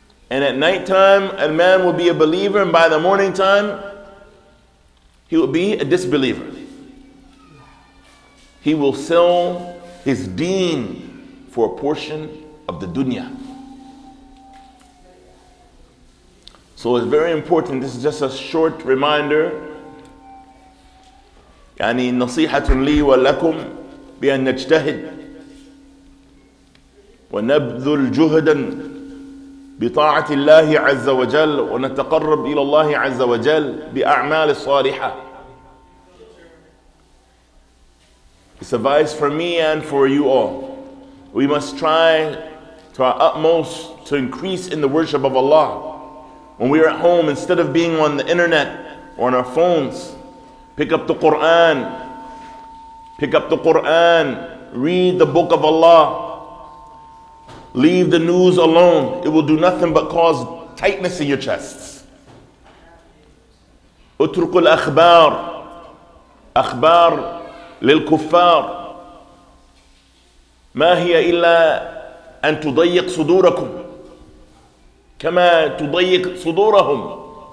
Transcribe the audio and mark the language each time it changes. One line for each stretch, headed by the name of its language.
English: And at nighttime a man will be a believer, and by the morning time he will be a disbeliever. He will sell his deen for a portion of the dunya. So it's very important. This is just a short reminder.
Arabic: يعني نصيحة لي ولكم بأن نجتهد ونبذل جهدا بطاعة الله عز وجل ونتقرب إلى الله عز وجل بأعمال الصالحة.
English: It's advice for me and for you all. We must try to our utmost to increase in the worship of Allah. When we are at home, instead of being on the internet or on our phones, pick up the Quran. Pick up the Quran. Read the book of Allah. Leave the news alone. It will do nothing but cause tightness in your chests.
Arabic: اتركوا الأخبار أخبار للكفار ما هي إلا أن تضيق صدوركم كما تضيق صدورهم.